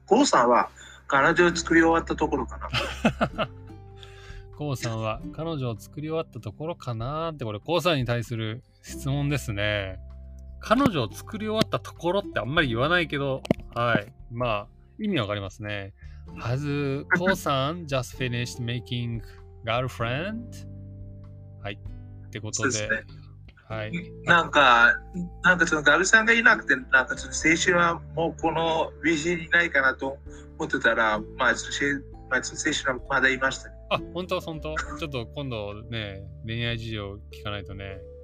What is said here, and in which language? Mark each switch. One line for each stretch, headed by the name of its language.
Japanese: コウさんは彼女を作り終わったところかな。コウさんは彼女を作り終わったところかなって、これコウさんに対する質問ですね。彼女を作り終わったところってあんまり言わないけど、はい。まあ、意味わかりますね。
English: Has Ko san just finished making girlfriend?
Japanese: はい。ってことで。はい。なんかそのガルさんがいなくて、なんかちょっと青春はもうこの美人いないかなと思ってたら、まあ、青春はまだいましたね。あ、本当本当。ちょっと今度ね、恋愛事情聞かないとね。